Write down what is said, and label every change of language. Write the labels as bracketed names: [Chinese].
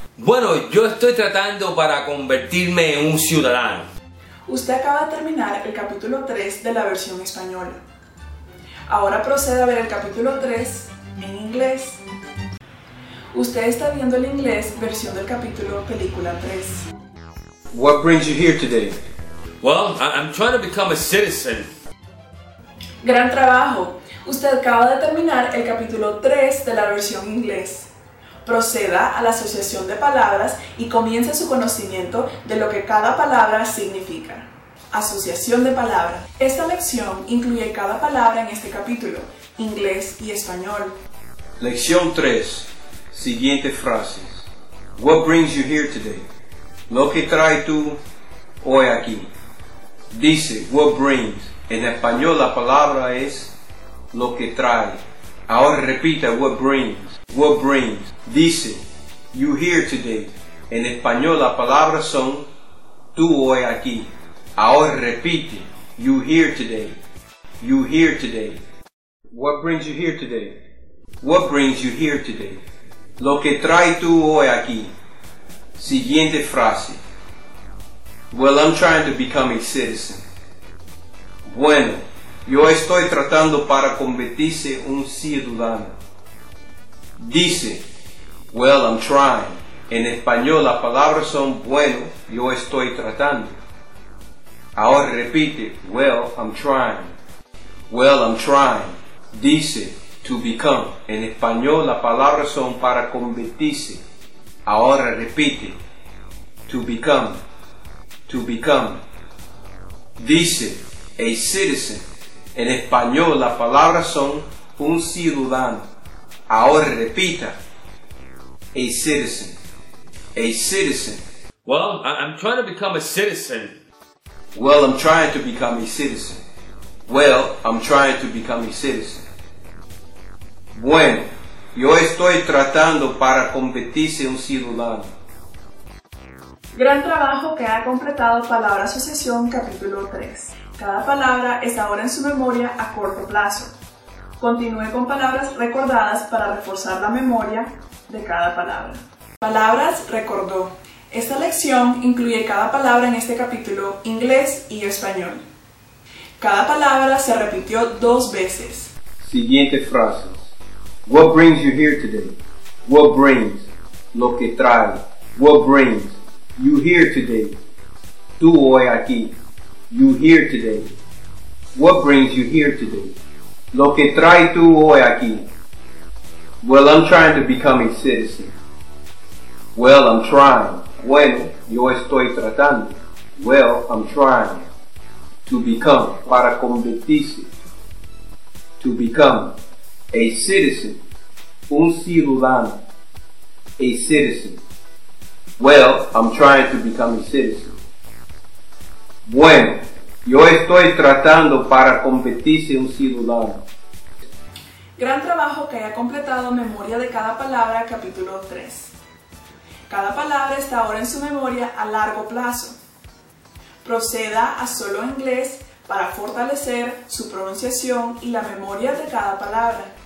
[Spanish] Bueno, yo estoy tratando para convertirme en un ciudadano. Usted acaba de terminar el capítulo 3 de la versión española. Ahora procede a ver el capítulo 3 en inglés. Usted está viendo el inglés versión del capítulo, película 3. [English] What brings you here today? Well, I'm trying to become a citizen. [Spanish] Gran trabajo. Usted acaba de terminar el capítulo 3 de la versión inglés. Proceda a la asociación de palabras y comience su conocimiento de lo que cada palabra significa. Asociación de palabras. Esta lección incluye cada palabra en este capítulo, inglés y español. Lección 3. Siguiente frase. [English] What brings you here today? [Spanish] Lo que trae tú hoy aquí. Dice, [English] what brings. [Spanish] En español la palabra es lo que trae. Ahora repita, [English] what brings. What brings. [Spanish] Dice, [English] you here today. [Spanish] En español la palabra son tú hoy aquí. Ahora repite, [English] you here today. You here today. What brings you here today? What brings you here today? [Spanish] Lo que trae tú hoy aquí. Siguiente frase. [English] Well, I'm trying to become a citizen. [Spanish] Bueno, yo estoy tratando para convertirse un ciudadano. Dice, [English] well, I'm trying. [Spanish] En español las palabras son bueno, yo estoy tratando. Ahora repite, [English] well, I'm trying. Well, I'm trying. [Spanish] Dice, [English] to become. [Spanish] En español las palabras son para convertirse. Ahora repite, [English] to become, to become. [Spanish] Dice, [English] a citizen. [Spanish] En español las palabras son un ciudadano. Ahora repita, [English] a citizen, a citizen. Well, I'm trying to become a citizen. Well, I'm trying to become a citizen. Well, I'm trying to become a citizen. [Spanish] Bueno. Yo estoy tratando para convertirse en un ciudadano. Gran trabajo que ha completado Palabra Asociación Capítulo 3. Cada palabra está ahora en su memoria a corto plazo. Continúe con palabras recordadas para reforzar la memoria de cada palabra. Palabras recordó. Esta lección incluye cada palabra en este capítulo, inglés y español. Cada palabra se repitió dos veces. Siguiente frase. [English] What brings you here today? What brings? [Spanish] Lo que trae. [English] What brings? You here today? [Spanish] Tú hoy aquí. [English] You here today? What brings you here today? [Spanish] Lo que trae tú hoy aquí. [English] Well, I'm trying to become a citizen. Well, I'm trying. [Spanish] Bueno, yo estoy tratando. [English] Well, I'm trying. To become. [Spanish] Para convertirse. [English] To become. A citizen. [Spanish] Un ciudadano, [English] a citizen. Well, I'm trying to become a citizen. [Spanish] Bueno, yo estoy tratando para convertirse en un ciudadano. Gran trabajo que haya completado memoria de cada palabra, capítulo 3. Cada palabra está ahora en su memoria a largo plazo. Proceda a solo inglés para fortalecer su pronunciación y la memoria de cada palabra.